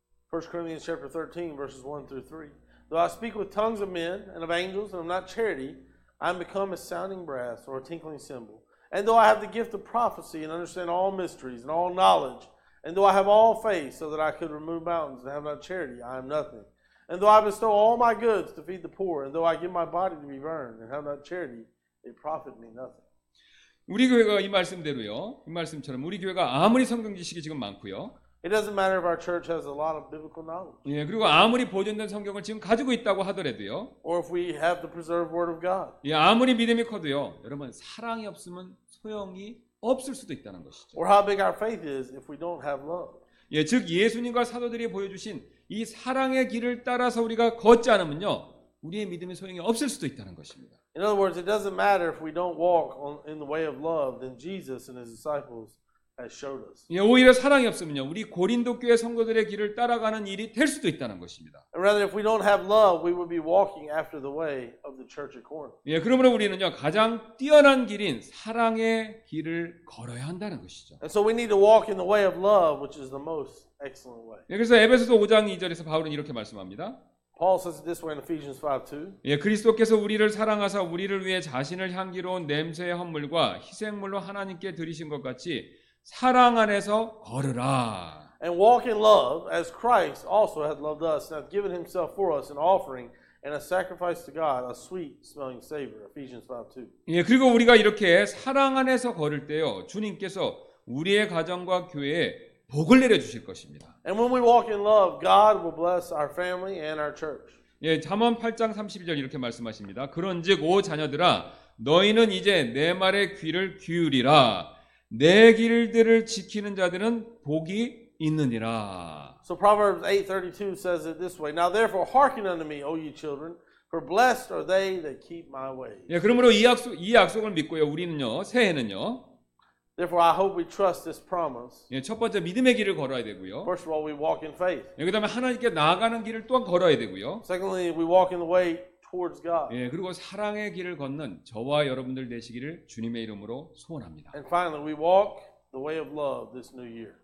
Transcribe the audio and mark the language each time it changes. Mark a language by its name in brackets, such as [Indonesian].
[English] 1 Corinthians chapter 13 verses 1 through 3. Though I speak with tongues of men and of angels and of not charity, I am become a sounding brass or a tinkling cymbal. And though I have the gift of prophecy and understand all mysteries and all knowledge, and though I have all faith so that I could remove mountains and have not charity, I am nothing. And though I bestow all my goods to feed the poor, and though I give my body to be burned, and have not charity, it profit me nothing. [Korean] 우리 교회가 이 말씀대로요, 이 말씀처럼 우리 교회가 아무리 성경 지식이 지금 많고요. [English] It doesn't matter if our church has a lot of biblical knowledge. [Korean] 예, 그리고 아무리 보존된 성경을 지금 가지고 있다고 하더라도요. [English] Or if we have the preserved word of God. [Korean] 예, 아무리 믿음이 커도요, 여러분 사랑이 없으면 소용이 없을 수도 있다는 것이죠. [English] Or how big our faith is if we don't have love. [Korean] 예, 즉 예수님과 사도들이 보여주신 이 사랑의 길을 따라서 우리가 걷지 않으면요, 우리의 믿음이 소용이 없을 수도 있다는 것입니다. [English] In other words, it doesn't matter if we don't walk on, in the way of love than Jesus and his disciples has showed us. [Korean] 예, 오히려 사랑이 없으면요, 우리 고린도 교회 성도들의 길을 따라가는 일이 될 수도 있다는 것입니다. [English] And rather, if we don't have love, we would be walking after the way of the church at Corinth. [Korean] 예, 그러므로 우리는요, 가장 뛰어난 길인 사랑의 길을 걸어야 한다는 것이죠. [English] And so we need to walk in the way of love, which is the most excellent way. [Korean] 예, 그래서 에베소서 5장 2절에서 바울은 이렇게 말씀합니다. [English] Paul says it this way in Ephesians 5:2. [Korean] 예, 그리스도께서 우리를 사랑하사 우리를 위해 자신을 향기로운 냄새의 헌물과 희생물로 하나님께 드리신 것 같이 사랑 안에서 걸으라. [English] And walk in love as Christ also had loved us and had given himself for us an offering and a sacrifice to God a sweet smelling savor. Ephesians 5:2. [Korean] 예, 그리고 우리가 이렇게 사랑 안에서 걸을 때요. 주님께서 우리의 가정과 교회에 복을 내려 주실 것입니다. [English] And when we walk in love, God will bless our family and our church. [Korean] 예, 잠언 8장 32절 이렇게 말씀하십니다. 그런즉 오 자녀들아 너희는 이제 내 말에 귀를 기울이라. 내 길들을 지키는 자들은 복이 있느니라. [English] So Proverbs 8:32 says it this way. Now therefore hearken unto me, O ye children, for blessed are they that keep my ways. [Korean] 예, 그러므로 이 약속을 믿고요. 우리는요. 새해는요. [English] Therefore I hope we trust this promise. [Korean] 예, 첫 번째 믿음의 길을 걸어야 되고요. [English] First of all we walk in faith. [Korean] 예, 그다음에 하나님께 나아가는 길을 또한 걸어야 되고요. [English] Secondly we walk in the way towards God. [Korean] 예, 그리고 사랑의 길을 걷는 저와 여러분들 되시기를 주님의 이름으로 소원합니다. [English] And finally, we walk the way of love this new year.